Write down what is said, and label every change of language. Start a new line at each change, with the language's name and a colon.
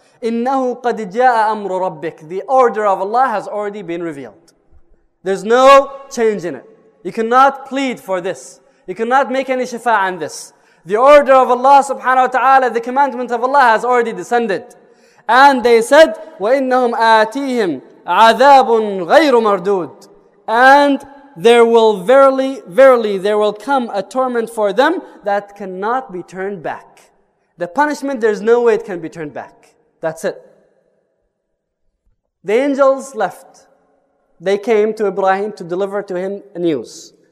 Arabic: إِنَّهُ قَدْ جَاءَ أَمْرُ رَبِّكَ.
English: The order of Allah has already been revealed. There's no change in it. You cannot plead for this. You cannot make any shafa' on this. The order of Allah subhanahu wa ta'ala, the commandment of Allah has already descended. And they said,
Arabic: وَإِنَّهُمْ آتِيهِمْ عَذَابٌ غَيْرُ مَرْدُودٌ.
English: And there will verily, verily, there will come a torment for them that cannot be turned back. The punishment, there's no way it can be turned back. That's it. The angels left. They came to Ibrahim to deliver to him news.